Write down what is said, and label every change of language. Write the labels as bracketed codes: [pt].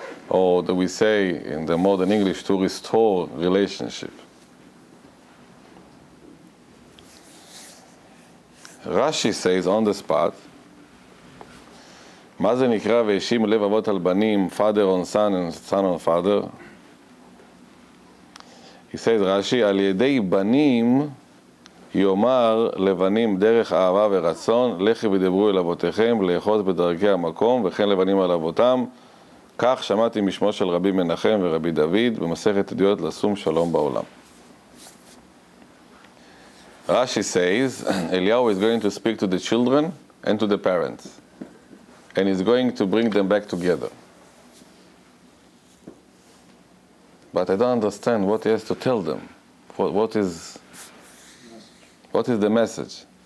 [en] Or do we say in the modern English to restore relationship? Rashi says on the spot, [he] מה זה נקרא וישים לב אבות על בנים, [en] father on son and son on father? He says, Rashi, [he] על ידי בנים יאמר לבנים דרך אהבה ורצון, לכי ודברו אל אבותיכם, לאחוז בדרכי המקום, וכן לבנים על אבותם, כך שמעתי משמו של רבי מנחם ורבי דוד במסכת עדויות לשום שלום בעולם. [en] Rashi says, Eliyahu is going to speak to the children and to the parents, and he's going to bring them back together. But I don't understand what he has to tell them. What is the message?